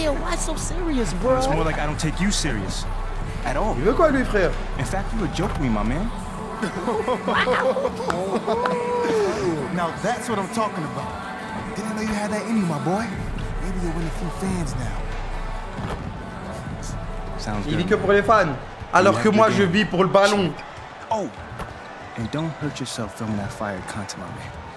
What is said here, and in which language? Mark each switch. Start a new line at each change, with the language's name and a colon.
English: Yeah, why so serious, bro? It's more like I don't take you serious. At all.
French: Il veut quoi, lui, frère?
English: In fact, you would joke me, my man. Now that's what I'm talking about. Didn't know you had that in you, my boy. Maybe you'll win a few fans now. Sounds good.
French: Il vit que pour les fans, alors que moi je vis pour le ballon.
English: Oh, and don't hurt yourself filming that fire content, my man.